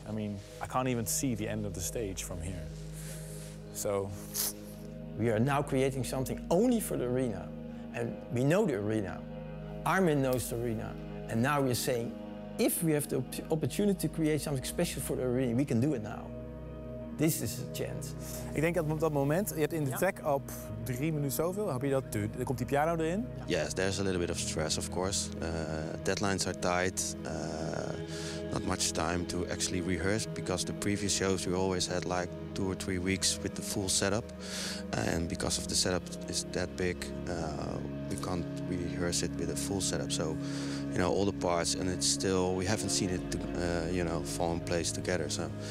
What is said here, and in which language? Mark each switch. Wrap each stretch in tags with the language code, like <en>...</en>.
<en>I mean, I can't even see the end of the stage from here. So we are now creating something only for the arena. And we know the arena. Armin knows the arena. And now we're saying, if we have the opportunity to create something special for the arena, we can do it now. This is a chance.</en> <nl>Ik denk op dat moment, je hebt in de track op 3 minuten zoveel, heb je dat, dan komt die piano erin.</nl> <en>Yes, there's a little bit of stress, of course. Deadlines are tight. Not much time to actually rehearse, because the previous shows we always had like 2 or 3 weeks with the full setup. And because of the setup is that big, we can't rehearse it with a full setup. So, you know, all the parts, and it's still, we haven't seen it, you know, fall in place together, so.</en>